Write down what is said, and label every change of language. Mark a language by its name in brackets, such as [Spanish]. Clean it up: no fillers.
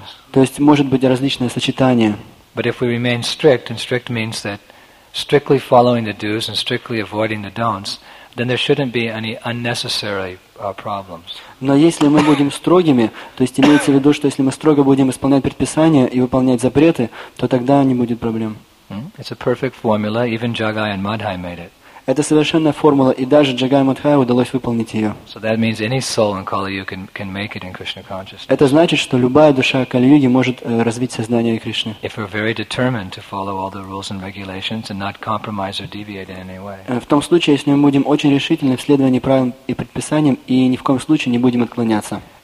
[Russian] То есть может быть различное сочетание. [English] But if we remain strict, and strict means that strictly following the do's and strictly avoiding the don'ts, then there shouldn't be any unnecessary problems. [Russian] Но если мы будем строгими, то есть имеется в виду, что если мы строго будем исполнять предписания и выполнять запреты, то тогда не будет проблем. [English] It's a perfect formula. Even Jagai and Madhai made it. [Russian] Это совершенная формула, и даже Джагай Мадхай удалось выполнить ее. [English] So that means any soul in Kali-Yuga can make it in Krishna consciousness. [Russian] Это значит, что любая душа Кали-Юги может развить сознание Кришны. [English] If we're very determined to follow all the rules and regulations and not compromise or deviate in any way. [Russian] В том случае, если мы будем очень решительны в следовании правилам и предписаниям и ни в коем случае не будем отклоняться.